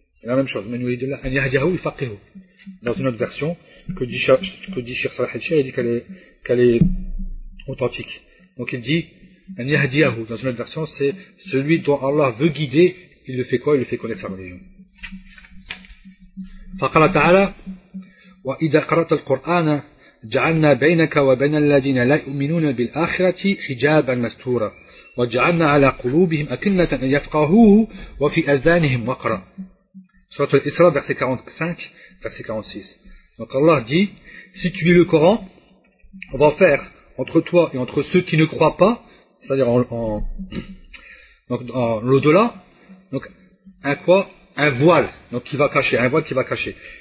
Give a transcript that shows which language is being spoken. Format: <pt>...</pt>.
<fr>Et la même chose,</fr> <ar>man yuridillahu an yahdihahu yufaqqihu.</ar> <fr>Dans une autre version que dit Cheikh Salah al-Sheikh, il dit qu'elle est authentique. Donc il dit</fr> <ar>an yahdihahu.</ar> <fr>Dans une autre version, c'est celui dont Allah veut guider. Il le fait quoi? Il le fait connaître sa religion.</fr> <ar>فقال تعالى وإذا قرأت القرآن جعلنا بينك وبين الذين لا يؤمنون بالآخرة حجابا مستورا وجعلنا على قلوبهم أكنة أن يفقهوه وفي أذانهم وقرا.</ar> <fr>Surat al-Isra verset 45, verset 46. Donc Allah dit, si tu lis le Coran, on va faire entre toi et entre ceux qui ne croient pas, c'est-à-dire en l'au-delà. Donc un quoi, un voile, donc qui va cacher, un voile qui va cacher.</fr>